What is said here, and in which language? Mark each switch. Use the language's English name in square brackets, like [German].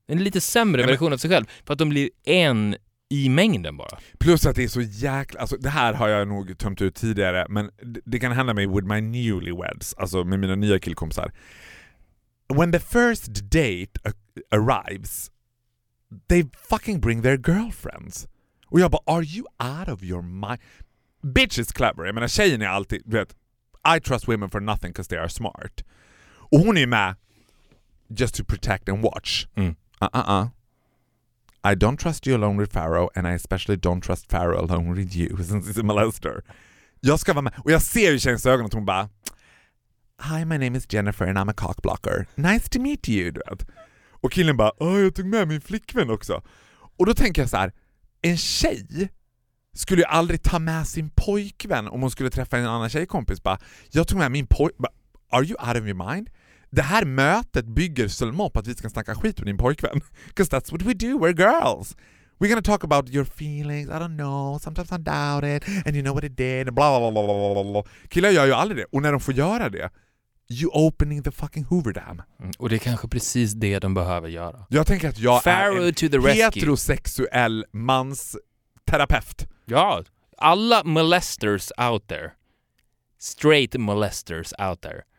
[Swedish] En lite sämre version av sig själv. För att de blir en i mängden bara. Plus att det är så jäkla, alltså det här har jag nog tömt ut tidigare, men det kan hända mig with my newlyweds, alltså med mina nya killkompisar. [English] When the first date arrives, they fucking bring their girlfriends. Och jag bara, are you out of your mind? Bitch is clever. Jag menar, tjejen är alltid, vet, I trust women for nothing because they are smart. Och hon är med just to protect and watch. I don't trust you alone with Pharaoh, and I especially don't trust Pharaoh alone with you, since he's a molester. [Swedish] Jag ska vara med. Och jag ser ju tjejens ögon att hon bara, hi, my name is Jennifer and I'm a cockblocker. [English] Nice to meet you, du vet. [Swedish] Och killen bara, åh, jag tog med min flickvän också. Och då tänker jag så här, en tjej skulle ju aldrig ta med sin pojkvän om hon skulle träffa en annan tjejkompis. Bara, jag tog med min pojkvän. Are you out of your mind? Det här mötet bygger Selma på att vi ska snacka skit med din pojkvän. [English] Because that's what we do, we're girls. We're gonna talk about your feelings, I don't know, sometimes I doubt it, and you know what it did, bla bla bla bla bla. [Swedish] Killar gör ju aldrig det. [English] Och när de får göra det, you opening the fucking Hoover Dam. Mm, [Swedish] och det är kanske precis det de behöver göra. Jag tänker att jag Pharaoh är en heterosexuell mans terapeut. [English] Ja, alla molesters out there, straight molesters out there,